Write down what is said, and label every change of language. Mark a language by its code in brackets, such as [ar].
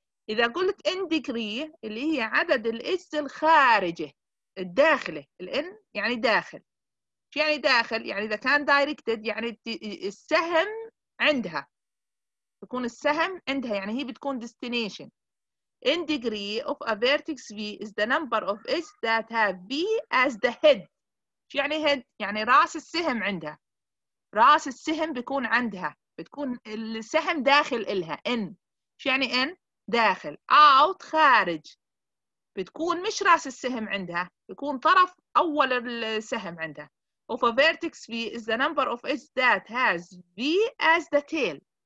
[ar] إذا قلت in degree اللي هي عدد الإجز الخارجة الداخلة، الان يعني داخل. شو يعني داخل؟ يعني إذا كان دايركتد يعني السهم عندها، تكون السهم عندها، يعني هي بتكون destination. [en] In degree of a vertex V is the number of edges that have V as the head. [ar] شو يعني head؟ يعني رأس السهم عندها، رأس السهم بيكون عندها، بتكون السهم داخل إلها. in شو يعني in؟ داخل. out خارج، بتكون مش رأس السهم عندها، بيكون طرف أول السهم عندها. [en] Of a vertex V is the number of edges that has V as the tail.